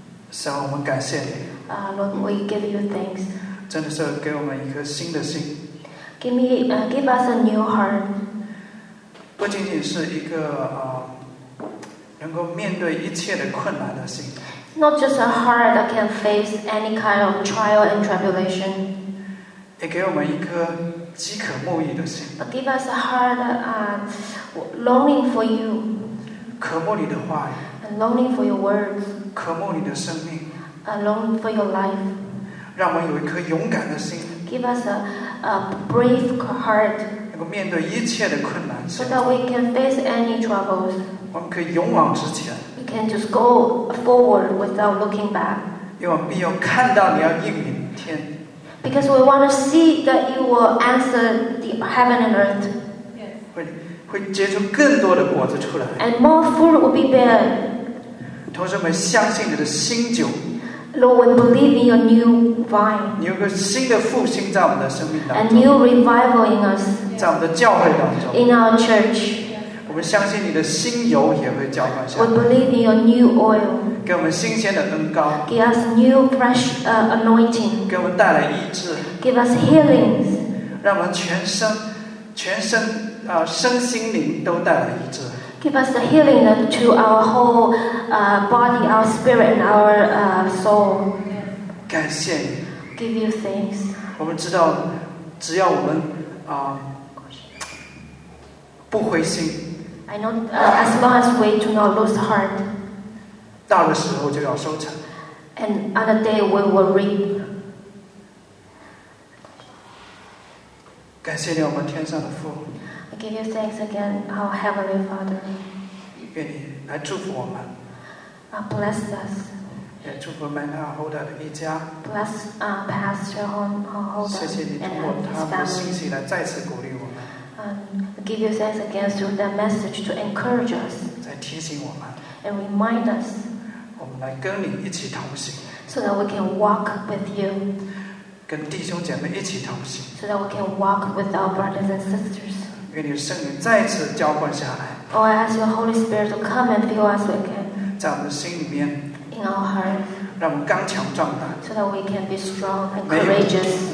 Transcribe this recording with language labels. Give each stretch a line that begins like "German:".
Chinese: 神，我们感谢你。
English: Lord, we give you thanks.
Chinese: 真的是给我们一颗新的心
English: give us a new heart
Chinese: 不仅仅是一个能够面对一切的困难的心
English: not just a heart that can face any kind of trial and tribulation
Chinese: 也给我们一颗饥渴慕义的心
English: but give us a heart that longing for you
Chinese: 渴慕你的话语
English: and longing for your words
Chinese: 渴慕你的生命
English: and longing for your life
Chinese: 让我们有一颗勇敢的心
English: Give us a brave heart
Chinese: 能够面对一切的困难
English: So that we can face any troubles
Chinese: 我们可以勇往直前
English: We can just go forward without looking back
Chinese: 因为我们必要看到你要应允天
English: Because we want to see that you will answer the heaven and earth
Chinese: 会结出更多的果子出来
English: And more fruit will be bear
Chinese: 同时我们相信你的新酒
English: Lord, we believe in your new vine.
Chinese: 你有个新的复兴在我们的生命当中。
English: A new revival in us.
Chinese: 在我们的教会当中。
English: In our church.
Chinese: 我们相信你的新油也会浇灌下。
English: We believe in your new oil.
Chinese: 给我们新鲜的恩膏。
English: Give us new fresh anointing.
Chinese: 给我们带来医治。
English: Give us healings.
Chinese: 让我们全身身心灵都带来医治。
English: Give us the healing to our whole body, our spirit, and our soul.
Chinese: 感谢你。
English: Give you thanks.
Chinese: 我们知道，只要我们不灰心。
English: I know, as long as we do not lose heart.
Chinese: 到的时候就要收成。
English: And on the day we will reap.
Chinese: 感谢你，我们天上的父。
English: I give you thanks again, our Heavenly Father.
Chinese: 愿你来祝福我们。
English: Bless us.
Chinese: 也祝福 Manna Holder 一家。
English: Bless Pastor Holder.
Chinese: 谢谢你通过他们的信息来再次鼓励我们。
English: Give you thanks again through that message to encourage us.
Chinese: 再提醒我们。
English: And remind us.
Chinese: 我们来跟你一起同行。
English: So that we can walk with you.
Chinese: 跟弟兄姐妹一起同行。
English: So that we can walk with our brothers and sisters.
Chinese: 愿你的圣灵再次浇灌下来。
English: Oh, I ask your Holy Spirit to come and fill us again.
Chinese: 在我们心里面。
English: In our heart.
Chinese: 让我们刚强壮胆。
English: So that we can be strong and courageous.